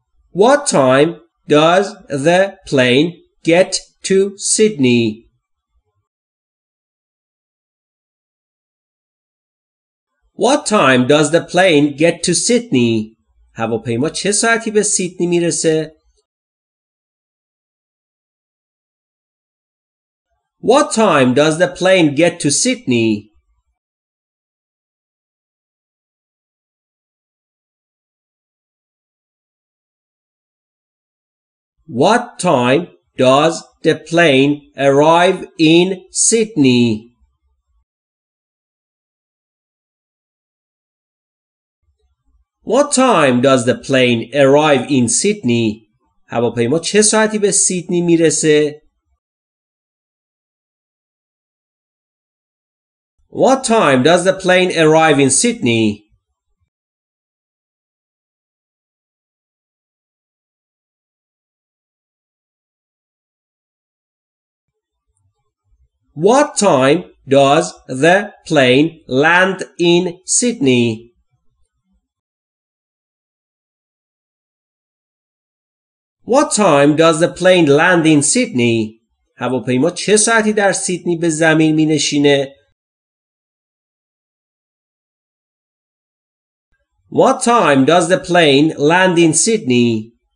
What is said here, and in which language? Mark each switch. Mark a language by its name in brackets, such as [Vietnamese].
[English] What time does the plane get to Sydney? What time does the plane get to Sydney? [Persian] هواپیما چه ساعتی به سیدنی میرسه؟ [English] What time does the plane get to Sydney? What time does the plane arrive in Sydney? What time does the plane arrive in Sydney? [Persian] هواپیما چه ساعتی به سیدنی میرسه؟ [English] What time does the plane arrive in Sydney? What time does the plane land in Sydney? What time does the plane land in Sydney? [Persian] هواپیما چه ساعتی در سیدنی به زمین می نشینه؟ [English] What time does the plane land in Sydney?